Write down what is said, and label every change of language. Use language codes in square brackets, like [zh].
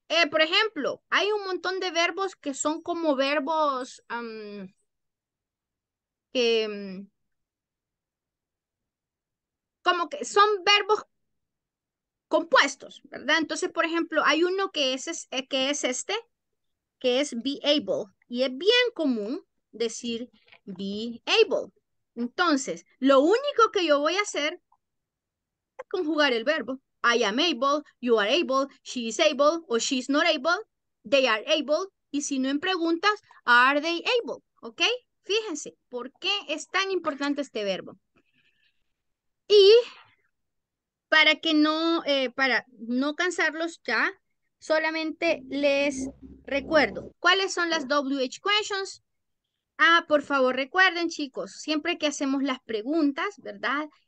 [es] Por ejemplo, hay un montón de verbos que son como verbos como que son verbos compuestos, ¿verdad? Entonces, por ejemplo, hay uno que es este, que es be able, y es bien común decir be able. Entonces, lo único que yo voy a hacer es conjugar el verbo. [en] I am able, you are able, she is able, or she is not able, they are able, [es] y si no en preguntas, [en] are they able, ¿ok? [es] Fíjense, ¿por qué es tan importante este verbo? Y para que no cansarlos ya, solamente les recuerdo, ¿cuáles son las WH questions? Por favor, recuerden, chicos, siempre que hacemos las preguntas, ¿verdad?